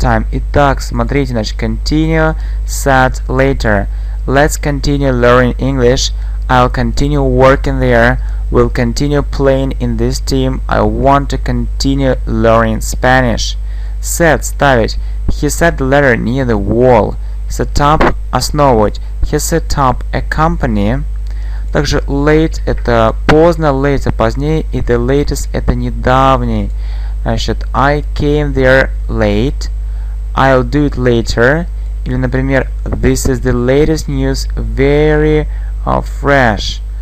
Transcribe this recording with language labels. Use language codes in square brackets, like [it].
[ru] Итак, смотрите, значит, continue, set, later. [en] Let's continue learning English. I'll continue working there. We'll continue playing in this team. I want to continue learning Spanish. Set – [ru] ставить. [en] He set the ladder near the wall. Set up – [ru] основывать. [en] He set up a company. [ru] Также late – это поздно, later – позднее. И the latest – это недавний. Значит, [en] I came there late. I'll do it later. [ru] Или, например, [en] this is the latest news, very fresh.